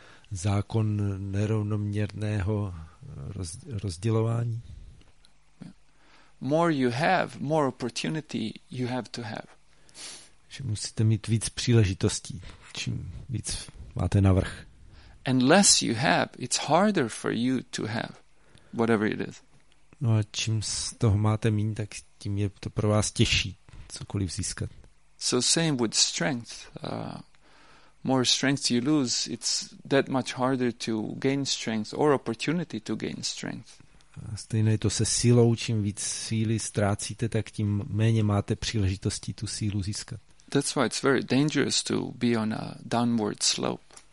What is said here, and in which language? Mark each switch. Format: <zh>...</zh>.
<cs>Zákon nerovnoměrného rozdělování.</cs> <en>More you have, more opportunity you have to have.</en> <cs>Že musíte mít víc příležitostí, čím víc máte navrch.</cs> <en>And less you have, it's harder for you to have whatever it is.</en> <cs>No a čím z toho máte míň, tak tím je to pro vás těžší cokoliv získat.</cs> <en>So same with strength. More strength you lose, it's that much harder to gain strength or opportunity to gain strength.</en> <cs>Stejně to se sílou, čím víc síly ztrácíte, tak tím méně máte příležitosti tu sílu získat.</cs> <en>That's why it's very dangerous to be on a downward slope.</en>